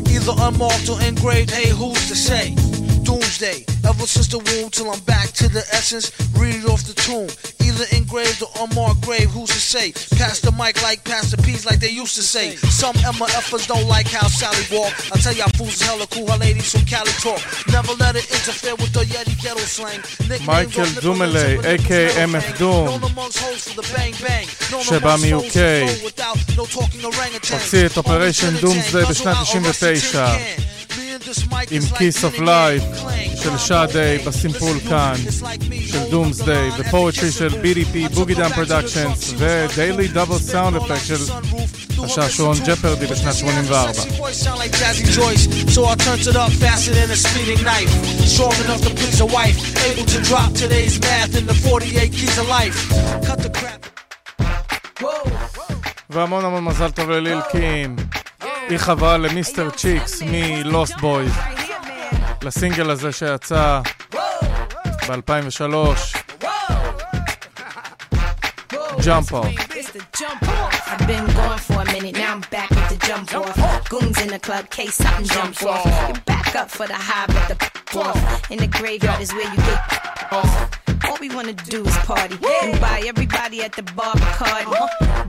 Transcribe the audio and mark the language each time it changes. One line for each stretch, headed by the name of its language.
English: Either unmarked or engraved, hey, who's to say? Doomsday, ever since the womb till I'm back to the essence. Read it off the tomb, either engraved or unmarked grave, who's to say? Pass the mic like pass the peas like they used to say. Some MFers don't like how Sally walk. I tell y'all fools is hella cool, her ladies from Cali talk. Never let it interfere with the Yeti ghetto slang. Michael Dumoulin, a.k.a.
Hebrew: MF Doom, שבא מ-UK, הוציא את Operation Doomsday בשנת 99 עם Kiss of Life של שעדי בסימפול כאן של Doomsday ופורטרי של BDP, Boogie Down Productions ו-Daily Double Sound Effect של השעשון ג'פרדי בשנת 84.
English: So I turned it up faster than a speeding knife. Strong enough to please a wife. Able to drop today's math in the 48 keys of life. Cut the crap.
Hebrew: והמון המון מזל טוב לליל קים. היא חברה למיסטר צ'יקס מלוסט בוי, לסינגל הזה שיצא ב-2003, ג'אמפ אוף.
English: I've been gone for a minute, now I'm back with the jump off. Goons in the club, case something jump off. You back up for the high, but the off. In the graveyard is where you get off. All we wanna do is party. Woo! And buy everybody at the bar Bacardi.